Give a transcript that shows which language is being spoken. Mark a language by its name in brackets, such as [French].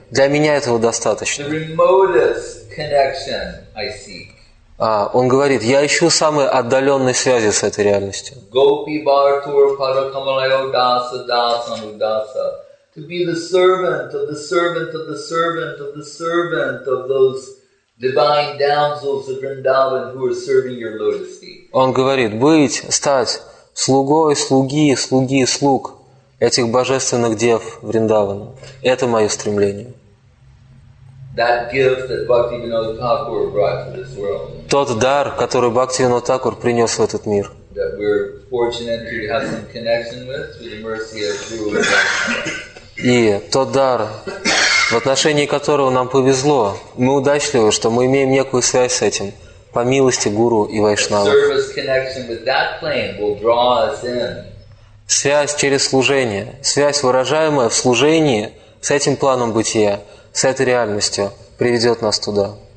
[Russian] Для меня этого достаточно. [English] The remotest connection I seek. [Russian] Он говорит, я ищу самые отдаленные связи с этой реальностью. [Sanskrit] Gopi Bhartur Parakamalayo Dasa Dasa Nudasa. [English] To be the servant of the servant of the servant of the servant of those divine damsels of Vrindavan who are serving your lotus feet. [Russian] Он говорит, быть, стать слугой, слуг этих божественных дев Вриндавана. Это мое стремление. [English] That gift that Bhaktivinoda Thakur brought to this world. [Russian] Тот дар, который Бхактивинода Такур принес в этот мир. [English] That we're fortunate to have some connection with through the mercy of Guru Vrindavan. [Russian] И тот дар, в отношении которого нам повезло, мы удачливы, что мы имеем некую связь с этим, по милости гуру и вайшнава. Связь через служение, связь, выражаемая в служении, с этим планом бытия, с этой реальностью, приведет нас туда.